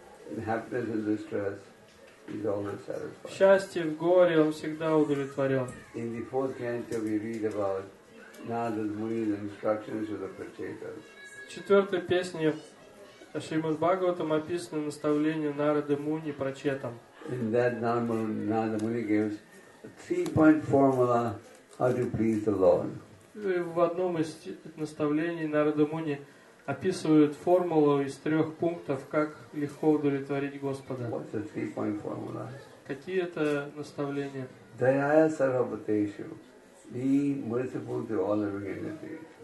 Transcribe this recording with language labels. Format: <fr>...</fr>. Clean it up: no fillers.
<en>In happiness and distress, he's always satisfied.</en> <ru>В счастье, в горе он всегда удовлетворен.</ru> <en>In the fourth canto we read about Narada Muni's instructions to the Pratetas.</en> <ru>В четвертой песне Шримад Бхагаватам описано наставление Нарады Муни прачетам.</ru> <en>In that Narada Muni gives a three-point formula how to please the Lord.</en> <ru>В одном из наставлений Нарада Муни описывают формулу из трех пунктов, как легко удовлетворить Господа.</ru> <en>What's the three-point formula?</en> <ru>Какие это наставления?</ru> <sa>Daya Sarvabhuteshu.</sa> <en>Be merciful to all living entities.</en>